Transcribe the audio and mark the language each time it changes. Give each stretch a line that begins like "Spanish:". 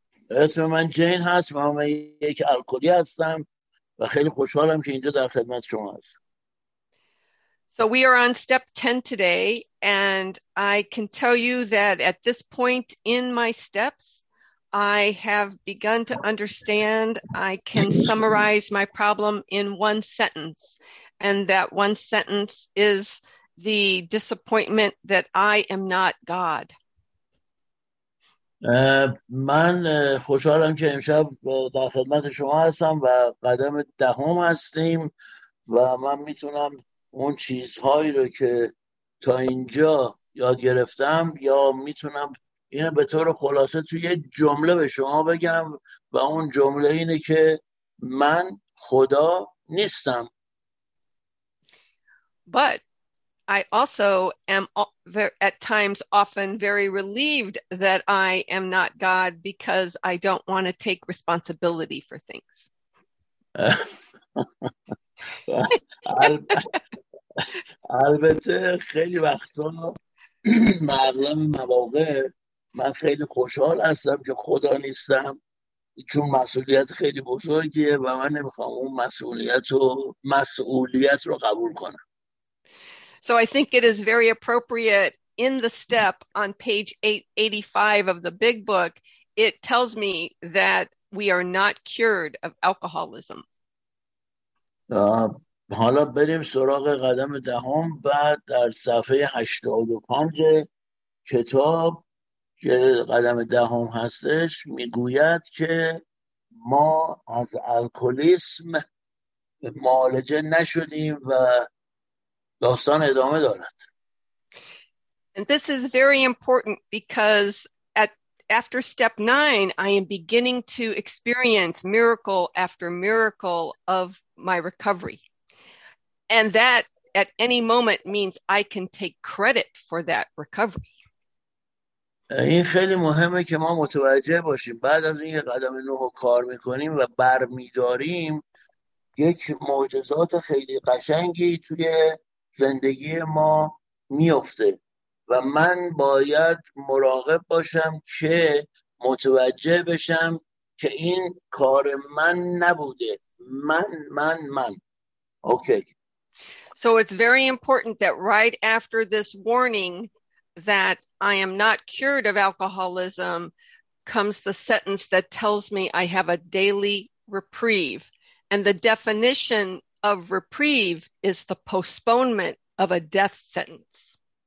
Persian: اسم من جین هست، من یک الکلی هستم و خیلی خوشحالم که اینجا در خدمت شما هستم.
English: So we are on step 10 today and I can tell you that at this point in my steps I have begun to understand I can summarize my problem in one sentence and that one sentence is the disappointment that I am not God.
Persian: من خوشحالم که امشب در خدمت شما هستم و قدم دهم هستیم و من میتونم اون چیزهایی رو که تا اینجا یاد گرفتم یا میتونم اینو به طور خلاصه توی یه جمله به شما بگم و اون جمله اینه که من خدا نیستم.
English: But I also am at times often very relieved that I am not God because I don't want to take responsibility for things.
Persian: البته خیلی وقتا معلم مواقع من خیلی خوشحال هستم که خدا نیستم، چون مسئولیت خیلی بزرگیه و من نمیخوام اون مسئولیت رو قبول کنم.
English: So I think it is very appropriate in the step on page 85 of the big book, it tells me that we are not cured of alcoholism.
Persian: حالا بریم سراغ قدم دهم و در صفحه 85 کتاب که قدم دهم هستش میگوید که ما از الکلیسم معالجه نشدیم و داستان ادامه دارد.
English: And this is very important because after step 9 I am beginning to experience miracle after miracle of my recovery. And that at any moment means I can take credit for that recovery.
Persian: این خیلی مهمه که ما متوجه باشیم بعد از اینکه قدم 9 کار میکنیم و برمیداریم یک معجزات خیلی قشنگی توی زندگی ما میفته و من باید مراقب باشم که متوجه بشم که این کار من نبوده. من اوکی.
English: So it's very important that right after this warning that I am not cured of alcoholism comes the sentence that tells me I have a daily reprieve. And the definition of reprieve is the postponement of a death sentence.